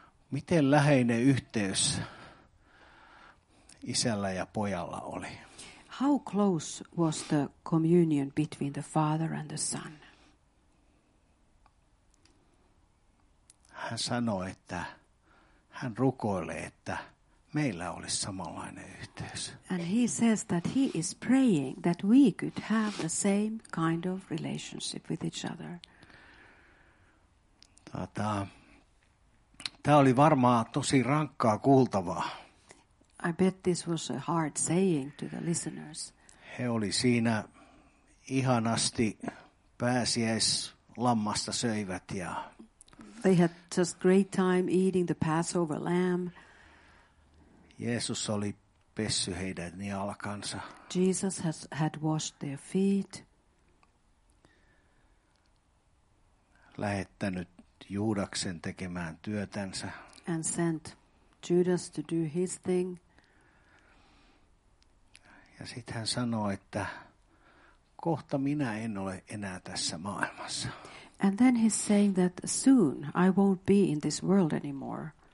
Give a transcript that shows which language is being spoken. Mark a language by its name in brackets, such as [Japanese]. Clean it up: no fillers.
[Finnish] Miten läheinen yhteys isällä ja pojalla oli? [English] How close was the communion between the father and the son? [Finnish] Hän sanoi, että hän rukoilee, että meillä olisi samanlainen yhteys. [English] And he says that he is praying that we could have the same kind of relationship with each other. [Finnish] Tämä oli varmaan tosi rankkaa kuultavaa. [English] I bet this was a hard saying to the listeners. [Finnish] He oli siinä ihanasti pääsiäislammasta söivät ja [English] they had just great time eating the Passover lamb. [Finnish] Jeesus oli pessy heidän jalkansa. [English] Jesus had washed their feet. [Finnish] Lähettänyt Juudaksen tekemään työtänsä. [English] And sent Judas to do his thing. [Finnish] Ja sitten hän sanoi, että kohta minä en ole enää tässä maailmassa. [English] And then he's saying that soon I won't be in this world anymore.